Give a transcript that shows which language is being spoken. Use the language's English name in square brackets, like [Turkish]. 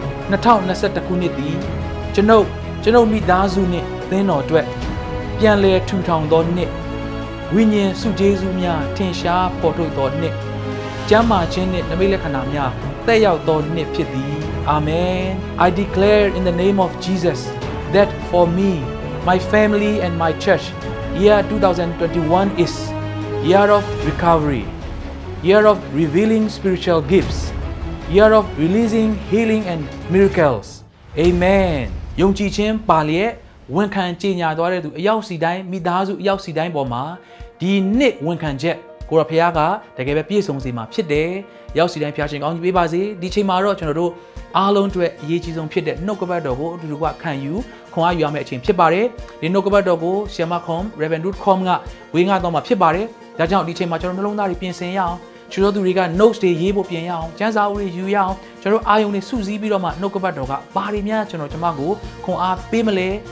[Burmese] 2021ခုနှစ်သည်ကျွန်ုပ်မိသားစုနှင့်သင်းတော်အတွက်ပြန်လည်ထူထောင်သောနှစ်ဝိညာဉ်စုဂျေဇုများထင်ရှားပေါ်ထွက်သောနှစ်ကျမ်းမာခြင်းနဲ့နမိတ်လက္ခဏာများတက်ရောက်သောနှစ်ဖြစ်သည်အာမင် [English] I declare in the name of Jesus that for me my family and my church. Year 2021 is year of recovery, year of revealing spiritual gifts, year of releasing healing and miracles. Amen. [Burmese] ယုံကြည်ခြင်းပါလျက်ဝန်ခံကြီးညာသွားတဲ့သူအယောက်စီတိုင်းမိသားစုအယောက်စီတိုင်းပေါ်မှာဒီနှစ်ဝန်ခံချက်ကိုရဖျားကတကယ်ပဲပြည့်စုံစေမှာဖြစ်တယ်။ယောက်စီတိုင်းဖျားရှင်ကောင်းကြီးပေးပါစေ။ဒီချိန်မှာတော့ကျွန်တော်တို့ အားလုံးအတွက်အရေးကြီးဆုံးဖြစ်တဲ့နှုတ်ကပတ်တော်ကိုအတူတူကခံယူခွန်အားယူရမယ့်အချိန်ဖြစ်ပါတယ်။ဒီနှုတ်ကပတ်တော်ကို shema.com, reverend.com ကဝေငါတော့မှာဖြစ်ပါတယ်။ဒါကြောင့်ဒီချိန်မှာကျွန်တော်နှလုံးသားတွေပြင်ဆင်ရအောင်ကျွန်တော်တို့တွေက notes တွေရေးဖို့ပြင်ရအောင်ကျန်းစာအုပ်တွေယူရအောင်ကျွန်တော်တို့အာယုံတွေစုစည်းပြီးတော့မှနှုတ်ကပတ်တော်ကဘာတွေများကျွန်တော်တို့ကိုခွန်အားပေးမလဲ